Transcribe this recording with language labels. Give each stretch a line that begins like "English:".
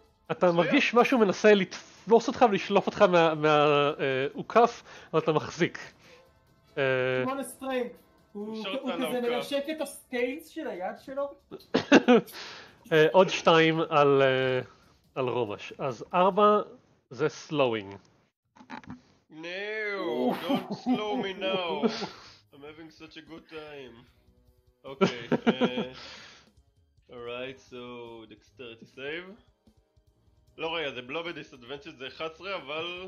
Hebrew: אתה מרגיש משהו מנסה לתפוס אותך ולשלוף אותך מהעוקף, אבל אתה מחזיק. כמו לסטרנג, הוא כזה מנשק את הסקיילס של היד שלו. עוד שתיים על רומש, אז ארבע זה סלואינג.
English: No, don't slow me now. I'm having such a good time. אוקיי, אורייט, סו דקסטריטי סייב.
Hebrew: לא רגע, זה בלובי דיסאדוונטג' זה 11, אבל...